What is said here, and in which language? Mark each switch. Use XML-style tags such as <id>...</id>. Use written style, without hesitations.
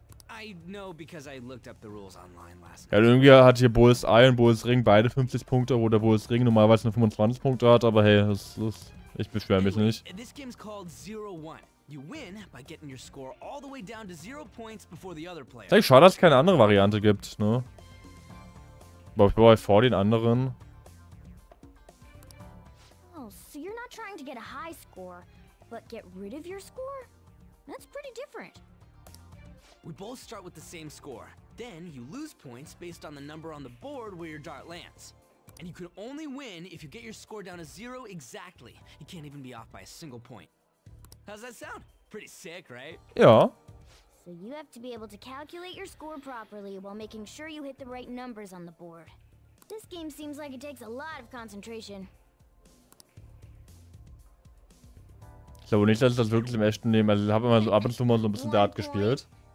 <en>I know because I looked up the rules online last night.</en> <de>Ja, irgendwie hat hier Bullseye und Bullsring beide 50 Punkte, wo der Bullsring normalerweise nur 25 Punkte hat, aber hey, ich beschwere mich nicht.</de> <en>This game's called 0-1. You win by getting your score all the way down to 0 points before the other player.</en> <de>Ich schade, dass es keine andere Variante gibt, ne? Aber ich bin vor den anderen.</de> <en>Oh, so you're not trying to get a high score. But get rid of your score? That's pretty different. We both start with the same score. Then you lose points based on the number on the board where your dart lands. And you can only win if you get your score down to 0 exactly. You can't even be off by a single point. How's that sound? Pretty sick, right? Yeah. So you have to be able to calculate your score properly while making sure you hit the right numbers on the board. This game seems like it takes a lot of concentration.</en> <de>Ich glaube nicht, dass ich das wirklich im echten Leben. Also ich habe immer so ab und zu mal so ein bisschen Dart gespielt.</de>